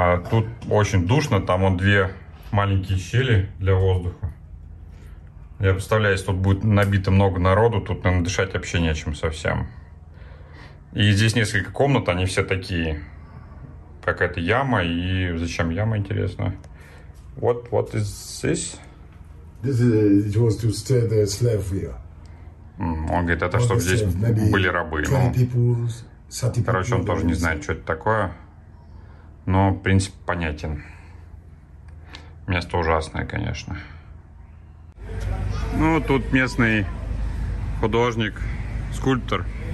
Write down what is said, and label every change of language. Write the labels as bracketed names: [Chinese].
[Russian] Тут очень душно, там вон две маленькие щели для воздуха. Я представляю, если тут будет набито много народу, тут, наверное, дышать вообще нечем совсем. И здесь несколько комнат, они все такие. Какая-то яма, и зачем яма, интересно? [English] What is this? It was to stay the slave here. [Russian] Он говорит, это чтобы здесь были рабы. Ну, короче, он тоже не знает, что это такое. Но принцип понятен. Место ужасное, конечно. Ну, тут местный художник, скульптор,